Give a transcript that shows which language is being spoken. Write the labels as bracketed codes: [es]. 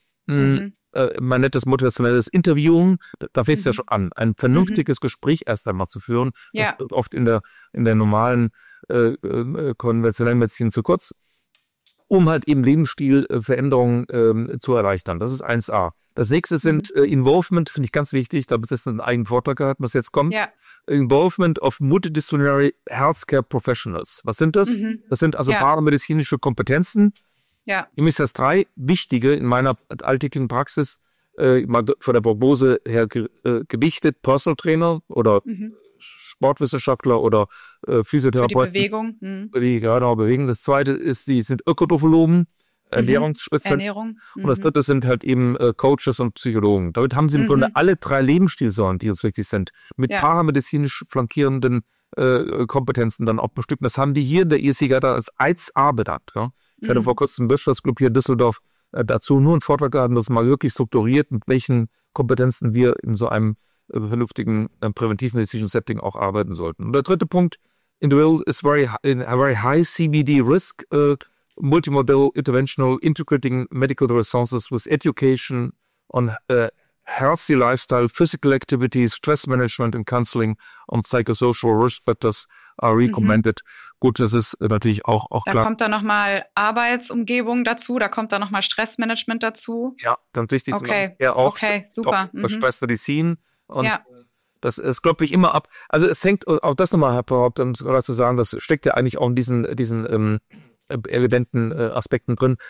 [de] Man nennt das motivationelles Interviewen, da fängt es ja schon an, ein vernünftiges Gespräch erst einmal zu führen. Ja. Das wird oft in der normalen konventionellen Medizin zu kurz, um halt eben Lebensstilveränderungen zu erleichtern. Das ist 1a. Das nächste sind Involvement, finde ich ganz wichtig, da besitzt man einen eigenen Vortrag gehabt, was jetzt kommt. Ja. [en] Involvement of Multidisciplinary Healthcare Professionals. [de] Was sind das? Das sind also paramedizinische Kompetenzen. Ja. Nämlich das drei wichtige in meiner alltäglichen Praxis, mal von der Prognose her gewichtet, Personal Trainer oder Sportwissenschaftler oder Physiotherapeuten. Für die Bewegung. Die genau bewegen. Das zweite sind Ökotrophologen, Ernährungsspezialisten. Ernährung. Und das dritte sind halt eben Coaches und Psychologen. Damit haben sie im Grunde alle drei Lebensstilsäulen, die uns wichtig sind, mit paramedizinisch flankierenden Kompetenzen dann auch bestücken. Das haben die hier in der ESC-Guide als 1a bedacht. Ja? Ich hatte vor kurzem im Wirtschaftsclub hier in Düsseldorf dazu nur einen Vortrag gehalten, dass mal wirklich strukturiert, mit welchen Kompetenzen wir in so einem vernünftigen präventivmedizinischen Setting auch arbeiten sollten. Und der dritte Punkt, [en] individual is very in a very high CBD risk, multimodal interventional integrating medical resources with education on healthy lifestyle, physical activities, stress management and counseling on psychosocial risk factors are recommended. [de] Mhm. Gut, das ist natürlich auch da klar. Da kommt dann nochmal Arbeitsumgebung dazu, da kommt dann nochmal Stressmanagement dazu. Ja, dann wichtig zu machen. Ja, auch. Okay, super. Mhm. Stressmedizin. Und ja. Das ist, glaube ich, immer ab. Also es hängt, auch das nochmal, Herr Haupt, um gerade zu sagen, das steckt ja eigentlich auch in diesen evidenten Aspekten drin.